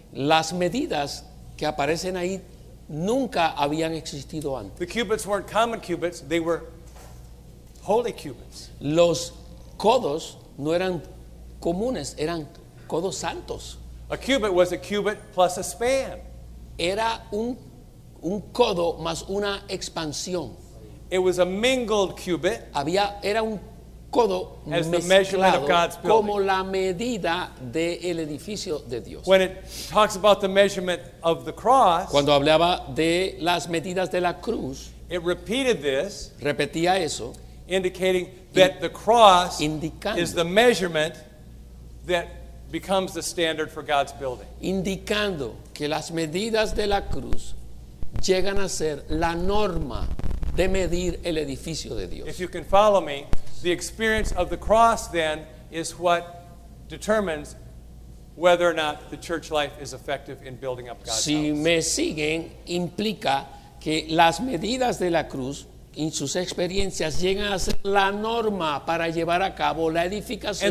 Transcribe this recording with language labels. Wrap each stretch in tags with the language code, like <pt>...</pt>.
<es>Las medidas que aparecen ahí nunca habían existido antes.</es> <en>The cubits weren't common cubits, they were holy cubits.</en> <es>Los codos no eran comunes, eran codos santos.</es> <en>A cubit was a cubit plus a span.</en> <es>Era un codo más una expansión.</es> <en>It was a mingled cubit.</en> <es>Era un codo</es> <en>as the measurement of God's building.</en> <es>Como la medida del edificio de Dios.</es> <en>When it talks about the measurement of the cross,</en> <es>cuando hablaba de las medidas de la cruz,</es> <en>it repeated this,</en> <es>repetía eso,</es> <en>indicating that the cross is the measurement that becomes the standard for God's building.</en> <es>Indicando que las medidas de la cruz llegan a ser la norma de medir el edificio de Dios.</es> <en>If you can follow me, the experience of the cross then is what determines whether or not the church life is effective in building up God's</en> <es>si</es> <en>house.</en> <es>Si me siguen, implica que las medidas de la cruz en sus experiencias llegan a ser la norma para llevar a cabo la edificación</es>